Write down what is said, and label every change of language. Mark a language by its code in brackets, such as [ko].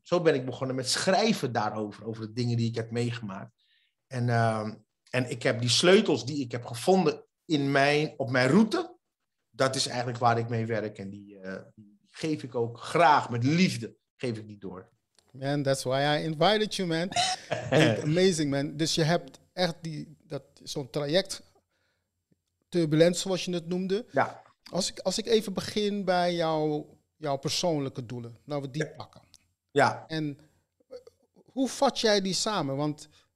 [nl] Zo ben ik begonnen met schrijven daarover. Over de dingen die ik heb meegemaakt. En ik heb die sleutels die ik heb gevonden op mijn route, dat is eigenlijk waar ik mee werk. En die geef ik ook graag, met liefde geef ik die door. [en] Man, that's why I invited you, man. Amazing, man. [nl] Dus je hebt echt zo'n traject, turbulent zoals je het noemde. Ja. Als ik even begin bij jouw persoonlijke doelen, nou we die pakken. Ja. En hoe vat jij die samen? Want...